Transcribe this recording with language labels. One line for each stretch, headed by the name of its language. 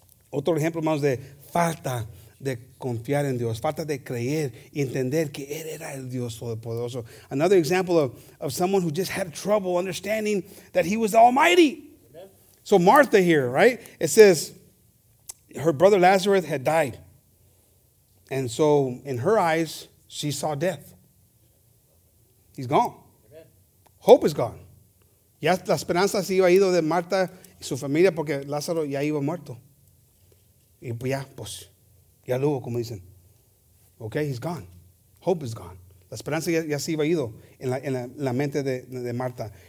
Spanish: Otro ejemplo, hermanos, de falta de confiar en Dios, falta de creer y entender que Él era el Dios Todopoderoso.
English: Another example of someone who just had trouble understanding that He was the Almighty. Amen. So Martha here, right? It says her brother Lazarus had died. And so in her eyes, she saw death. He's gone. Hope is gone.
Spanish: Ya la esperanza se iba ido de Marta y su familia porque Lázaro ya iba muerto. Y pues ya, pues, ya lo hubo, como dicen.
English: Okay, he's gone. Hope is gone.
Spanish: La esperanza ya se iba ido en la mente de Marta.